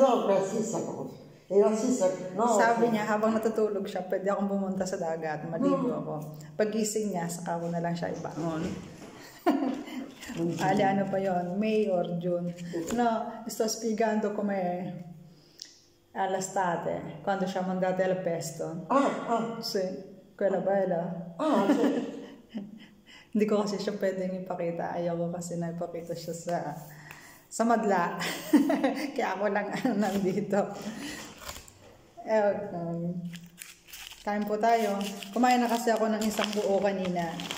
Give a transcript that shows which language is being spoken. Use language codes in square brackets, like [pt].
[tl] sabi niya habang natutulog siya pwede akong bumunta sa dagat maligo ako pagising niya saka ko na lang siya ibangon. Ali, ano pa yon? [en] May or June? [it] No, sto spiegando come all'estate, quando siamo andati al pesto. Ah, ah. Sì, quella ah. Bella. Ah, sì. [tl] Hindi ko kasi siya pwedeng ipakita. Ayaw ko kasi na ipakita siya sa madla. Kaya ako lang nandito. Okay. Kain po tayo. Kumain na kasi ako ng isang buo kanina.